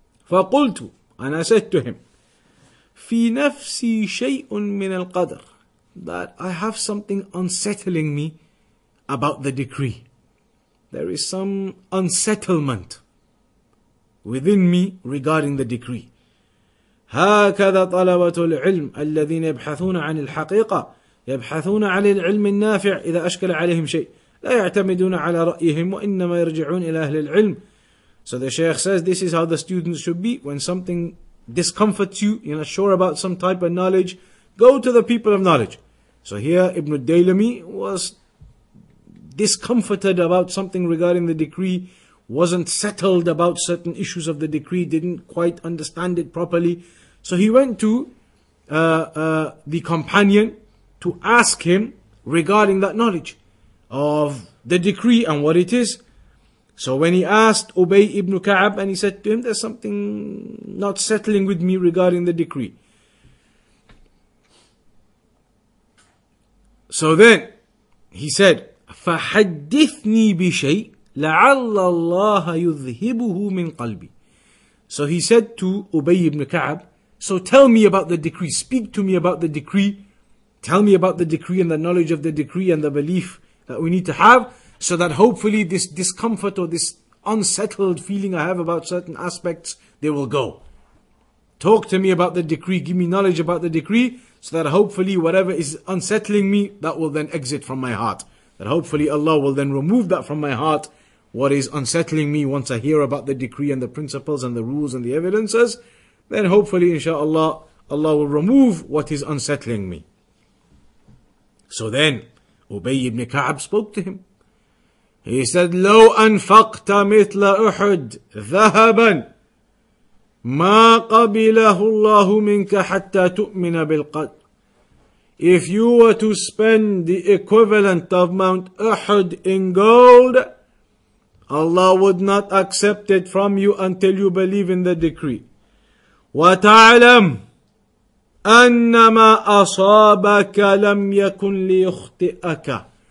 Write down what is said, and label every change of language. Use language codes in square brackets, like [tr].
[ar] فَقُلْتُ, [en] and I said to him, [ar] في نفسي شيء من القدر, [en] that I have something unsettling me about the decree. There is some unsettlement within me regarding the decree. [ar] هكذا طلبة العلم الذين يبحثون عن الحقيقة يبحثون عن العلم النافع إذا أشكل عليهم شيء لا يعتمدون على رأيهم وإنما يرجعون إلى أهل العلم. [en] So the Sheikh says this is how the students should be. When something discomforts you, you're not sure about some type of knowledge, go to the people of knowledge. So here Ibn Daylami was discomforted about something regarding the decree, wasn't settled about certain issues of the decree, didn't quite understand it properly. So he went to the companion to ask him regarding that knowledge of the decree and what it is. So when he asked Ubay ibn Ka'ab, and he said to him, there's something not settling with me regarding the decree. So then he said, [ar] فَحَدِّثْنِي بِشَيْءٍ لَعَلَّ اللَّهَ يُذْهِبُهُ مِنْ قَلْبِي. [en] So he said to Ubay ibn Ka'ab, so tell me about the decree, speak to me about the decree, tell me about the decree and the knowledge of the decree and the belief that we need to have, so that hopefully this discomfort or this unsettled feeling I have about certain aspects, they will go. Talk to me about the decree, give me knowledge about the decree, so that hopefully whatever is unsettling me, that will then exit from my heart. That hopefully Allah will then remove that from my heart what is unsettling me once I hear about the decree and the principles and the rules and the evidences, then hopefully, inshallah, Allah will remove what is unsettling me. So then, Ubay ibn Ka'ab spoke to him. He said, [ar] لَوْ أَنْفَقْتَ مِثْلَ أُحُدْ ذَهَبًا مَا قَبِلَهُ اللَّهُ مِنْكَ حَتَّى تُؤْمِنَ بِالْقَدْ. [en] If you were to spend the equivalent of Mount Uhud in gold, Allah would not accept it from you until you believe in the decree. [ar] وَتَعْلَمْ أَنَّمَا أَصَابَكَ لَمْ يَكُنْ لِيُخْتِئَكَ.